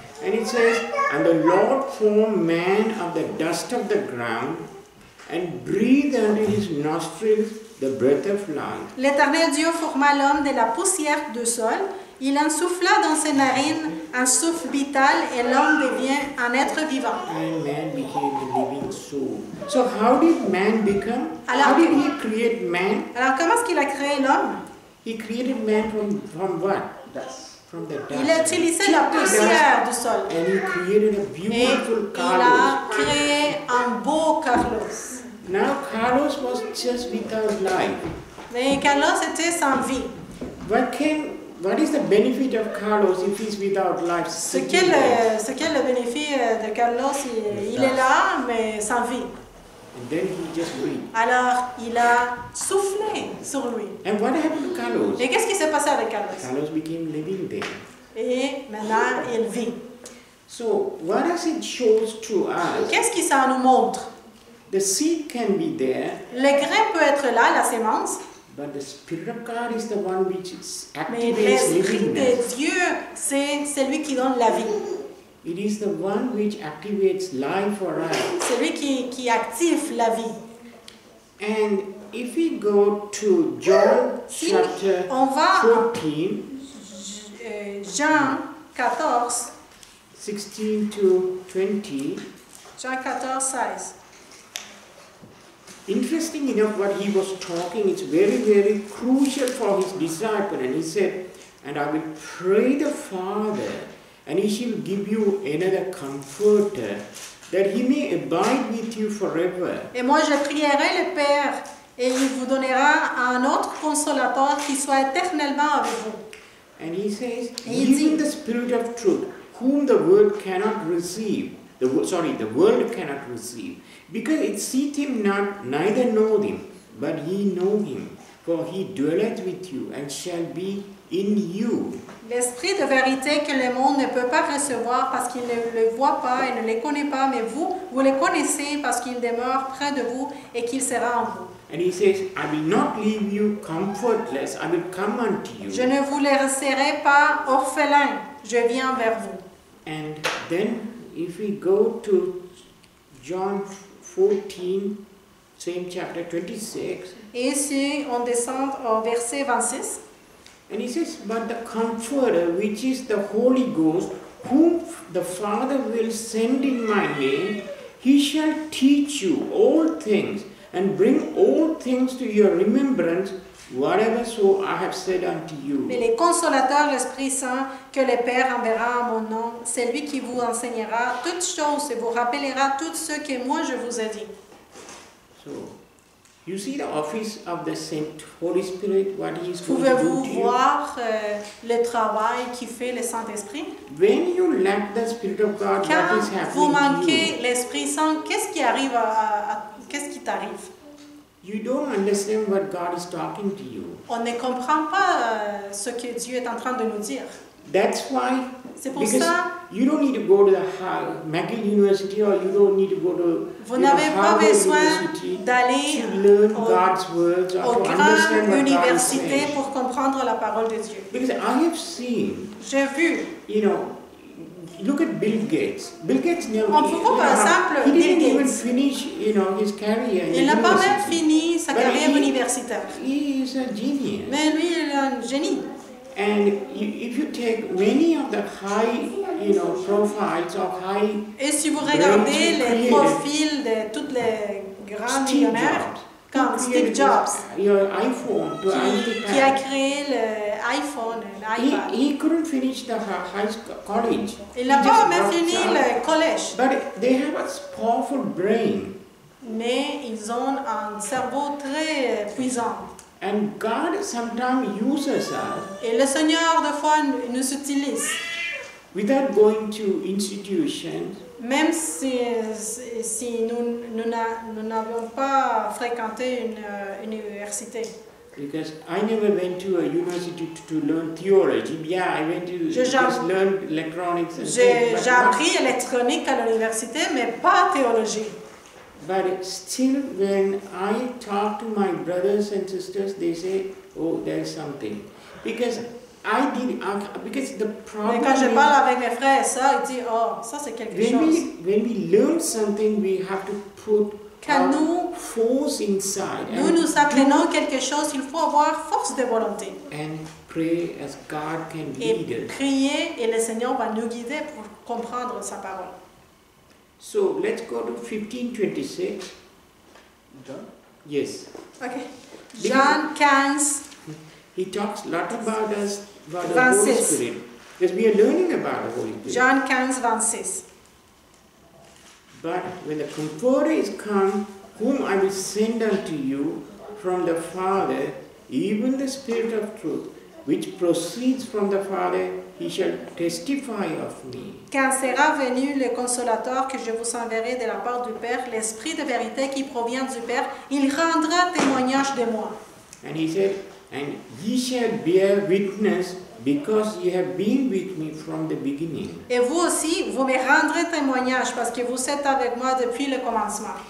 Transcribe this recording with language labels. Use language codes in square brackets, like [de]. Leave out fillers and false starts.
[en] And it says, and the Lord formed man of the dust of the ground, and breathed into his nostrils the breath of life. [fr] L'Éternel Dieu forma l'homme de la poussière du sol. Il en souffla dans ses narines un souffle vital et l'homme devient un être vivant. [en] And man became a living soul. So how did man become? [fr] Alors, [en] how did he create man? [fr] Alors comment est-ce qu'il a créé l'homme? [en] He created man from what? Dust. From the dust. [fr] Il a utilisé la poussière du sol. [en] And he created a beautiful [fr] Et Carlos. Il a créé un beau Carlos. [en] Now Carlos was just without life. [fr] Mais Carlos était sans vie. [en] What is the benefit of Carlos if he's without life? [fr] Ce qu'est le bénéfice de Carlos, il est là, mais sans vie. [en] And then he just breathed. [fr] Alors, il a soufflé sur lui. [en] And what happened to Carlos? [fr] Et qu'est-ce qui s'est passé avec Carlos? [en] Carlos became living there. [fr] Et maintenant, il vit. [en] So, what does it show to us? [fr] Qu'est-ce qui ça nous montre? [en] The seed can be there. [fr] Le grain peut être là, la semence. [en] But the Spirit of God is the one which is activates livingness. [fr] De Dieu, c'est celui qui donne la vie. [en] It is the one which activates life for us. [fr] C'est lui qui active la vie. [en] And if we go to John chapter 14, [fr] Jean 14, [en] 16 to 20, [fr] Jean 14, 16. [en] Interesting enough, what he was talking is very, very crucial for his disciple. And he said, and I will pray the Father, and he shall give you another comforter, that he may abide with you forever. [fr] Et moi je prierai le Père, et il vous donnera un autre consolateur qui soit éternellement avec vous. [en] And he says, even the Spirit of truth, whom the world cannot receive, the world cannot receive, because it seeth him not, neither know him, but ye know him, for he dwelleth with you, and shall be in you. [fr] L'esprit de vérité que le monde ne peut pas recevoir, parce qu'il ne le voit pas et ne le connaît pas, mais vous, vous le connaissez, parce qu'il demeure près de vous, et qu'il sera en vous. [en] And he says, I will not leave you comfortless, I will come unto you. [fr] Je ne vous laisserai pas orphelin, je viens vers vous. [en] And then, if we go to John 14, same chapter 26. [fr] Et si on descend au verset 26. [en] And he says, but the Comforter, which is the Holy Ghost, whom the Father will send in my name, he shall teach you all things, and bring all things to your remembrance, whatever so I have said unto you. [fr] Mais le Consolateur, l'Esprit Saint, que le Père enverra en mon nom, c'est lui qui vous enseignera toutes choses et vous rappellera tout ce que moi je vous ai dit. [en] So, you see the office of the Saint Holy Spirit, what he is going to do to you? [fr] Pouvez-vous voir le travail qui fait le Saint-Esprit? [en] When you lack the Spirit of God, [fr] Quand [en] what is happening [fr] vous manquez [en] to you? [fr] L'Esprit Saint, qu'est-ce qui arrive à qu'est-ce qui t'arrive? [en] You don't understand what God is talking to you. [fr] On ne comprend pas ce que Dieu est en train de nous dire. [en] That's why. [fr] C'est pour [en] because [fr] ça. [en] You don't need to go to the McGill University, or you don't need to go to. [fr] Vous n'avez pas besoin d'aller [en] to learn God's words or to understand what [fr] université [en] God is [fr] pour comprendre la parole de Dieu. [en] Because I have seen. [fr] J'ai vu. [en] You know, look at Bill Gates. Bill Gates never. [fr] On peut prendre un exemple. [en] He didn't Gates. Even finish, you know, his career. [fr] Il n'a pas même fini sa carrière universitaire. [en] He is a genius. [fr] Mais lui, il est un génie. [en] And if you take many of the high, you know, profiles or high. [fr] Et si vous regardez les profils de toutes les grands millionnaires, comme Steve Jobs, [en] your iPhone, [fr] qui a créé l'iPhone, l'iPad. [en] He couldn't finish the high college. [fr] Il n'a pas même fini le collège. [en] But they have a powerful brain. [fr] Mais ils ont un cerveau très puissant. [en] And God sometimes uses us. [fr] Et le Seigneur des fois nous utilise. [en] Without going to institutions. [fr] Même si nous n'avons pas fréquenté une université. [en] Because I never went to a university to learn theology. Yeah, I went to just learn electronics. [fr] J'ai appris électronique à l'université, mais pas théologie. [en] But still, when I talk to my brothers and sisters, they say, "Oh, there's something," because the problem. [fr] Mais quand je parle avec mes frères, ça, ils disent, "Oh, ça c'est quelque [en] when [fr] chose." [en] When we learn something, we have to put [fr] quand nous, [en] force inside. [fr] Nous nous apprenons quelque chose, il faut avoir force de volonté. [en] And pray as God can [fr] et [en] lead us. [fr] Et prier et le Seigneur va nous guider pour comprendre sa parole. [en] So let's go to 15:26. John? Yes. Okay. John 15. He talks a lot about us, about the Holy Spirit. Because we are learning about the Holy Spirit. John 15:26. But when the Comforter is come, whom I will send unto you from the Father, even the Spirit of truth, which proceeds from the Father, he shall testify of me. [fr] Car sera venu le consolateur que je vous enverrai de la part du Père, l'Esprit de vérité qui provient du Père, il rendra témoignage de moi. [en] And he said, and ye shall bear witness because ye have been with me from the beginning. [fr] Et vous aussi, vous me rendrez témoignage parce que vous êtes avec moi depuis le commencement.